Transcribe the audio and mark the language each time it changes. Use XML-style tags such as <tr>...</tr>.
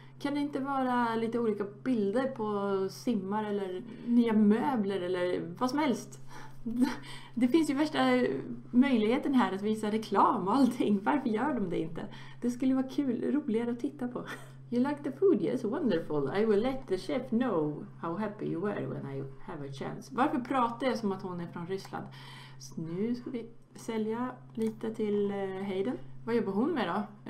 <sv>Kan det inte vara lite olika bilder på simmar eller nya möbler eller vad som helst? Det finns ju värsta möjligheten här att visa reklam och allting. Varför gör de det inte? Det skulle vara kul, roligare att titta på.</sv> <en>You like the food? Yes, wonderful. I will let the chef know how happy you were when I have a chance.</en> <sv>Varför pratar jag som att hon är från Ryssland? Så nu ska vi sälja lite till Hayden. Vad jobbar hon med då?</sv>